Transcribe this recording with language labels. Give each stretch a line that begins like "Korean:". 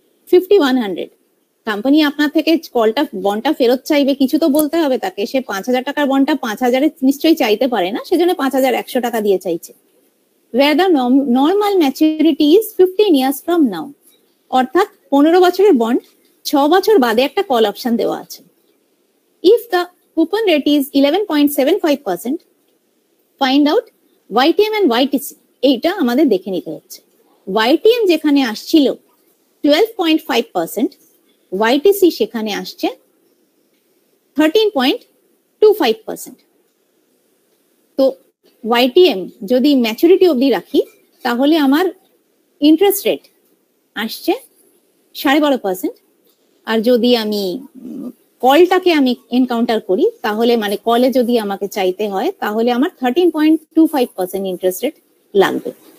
Bangla: 5100, company আপনার থেকে কলটা বন্ডটা ফেরত চাইবে, কিছু তো বলতে হবে তাকে, সে 5000 টাকার বন্ডটা 5000 নিশ্চয়ই চাইতে পারে না, সেজন্য 5100 টাকা দিয়ে চাইছে,
English: where the normal maturity is 15 years from now,
Bangla: অর্থাৎ 15 বছরের বন্ড 6 বছর বাদে একটা কল অপশন দেওয়া আছে।
English: If the coupon rate is 11.75%, find out YTM and YTC,
Bangla: এইটা আমাদের দেখে নিতে হচ্ছে। YTM যেখানে আসছিল 12.5%, YTC সেখানে আসছে 13.25%। তো YTM যদি ম্যাচুরিটি অবধি রাখি তাহলে আমার ইন্টারেস্ট রেট আসছে 12.5%, আর যদি আমি কলটাকে আমি এনকাউন্টার করি তাহলে মানে কলে যদি আমাকে চাইতে হয় তাহলে আমার 13.25% ইন্টারেস্ট রেট লাগবে।